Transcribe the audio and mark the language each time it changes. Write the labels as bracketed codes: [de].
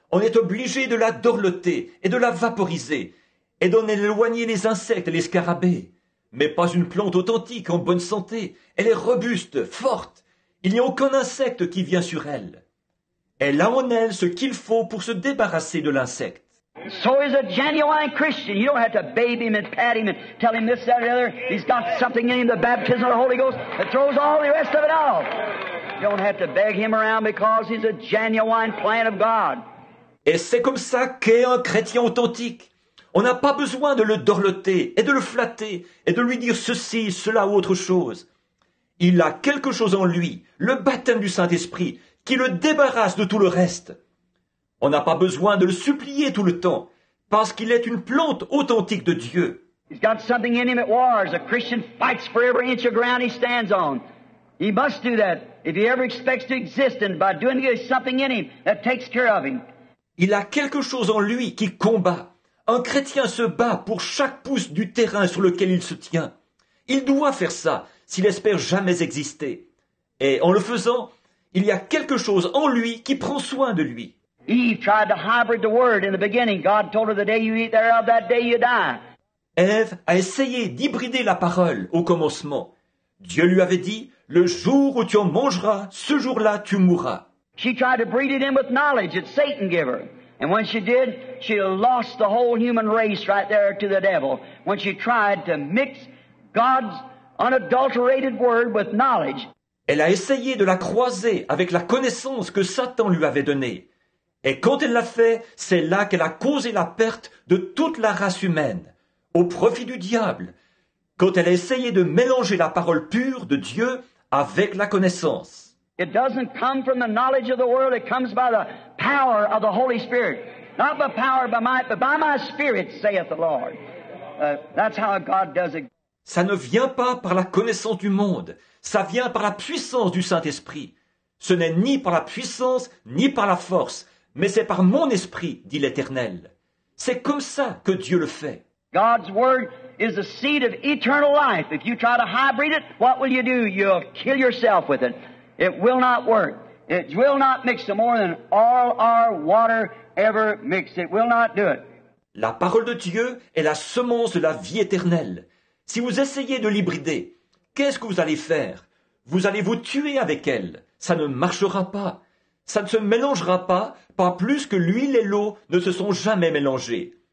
[fr] On est obligé de la dorloter et de la vaporiser et d'en éloigner les insectes et les scarabées. Mais pas une plante authentique en bonne santé. Elle est robuste, forte. Il n'y a aucun insecte qui vient sur elle. Elle a en elle ce qu'il faut pour se débarrasser de l'insecte. [en] So is a genuine Christian. You don't have to babe him and pat him and tell him this, that, or the other. He's got something in him, the baptism of the Holy Ghost, that throws all the rest of it off. You don't have to beg him around because he's a genuine plant of God. [fr] Et c'est comme ça qu'est un chrétien authentique. On n'a pas besoin de le dorloter et de le flatter et de lui dire ceci, cela ou autre chose. Il a quelque chose en lui, le baptême du Saint-Esprit, qui le débarrasse de tout le reste. On n'a pas besoin de le supplier tout le temps, parce qu'il est une plante authentique de Dieu. [en] He's got something in him at wars. A Christian fights for every inch of ground he stands on. He must do that if he ever expects to exist. And by doing it, there's something in him that takes care of him. [fr] Il a quelque chose en lui qui combat. Un chrétien se bat pour chaque pouce du terrain sur lequel il se tient. Il doit faire ça s'il espère jamais exister. Et en le faisant, il y a quelque chose en lui qui prend soin de lui. [en] Eve tried to hybrid the word in the beginning. God told her the day you eat thereof, that day you die. [fr] Eve a essayé d'hybrider la parole au commencement. Dieu lui avait dit, le jour où tu en mangeras, ce jour-là tu mourras. [en] She tried to breed it in with knowledge that Satan gave her. And when she did, she lost the whole human race right there to the devil. When she tried to mix God's unadulterated word with knowledge. [fr] Elle a essayé de la croiser avec la connaissance que Satan lui avait donnée. Et quand elle l'a fait, c'est là qu'elle a causé la perte de toute la race humaine, au profit du diable, quand elle a essayé de mélanger la parole pure de Dieu avec la connaissance. [en] It doesn't come from the knowledge of the world, it comes by the power of the Holy Spirit. Not by power, but by my spirit, saith the Lord. That's how God does it. [fr] Ça ne vient pas par la connaissance du monde, ça vient par la puissance du Saint-Esprit. Ce n'est ni par la puissance, ni par la force, mais c'est par mon esprit, dit l'Éternel. C'est comme ça que Dieu le fait. [en] God's word is the seed of eternal life. If you try to hybrid it, what will you do? You'll kill yourself with it. It will not work. It will not mix more than all our water ever mixed. It will not do it. [fr] La parole de Dieu est la semence de la vie éternelle. Si vous essayez de l'hybrider, qu'est-ce que vous allez faire? Vous allez vous tuer avec elle. Ça ne marchera pas. Ça ne se mélangera pas, pas plus que l'huile et l'eau ne se sont jamais mélangées.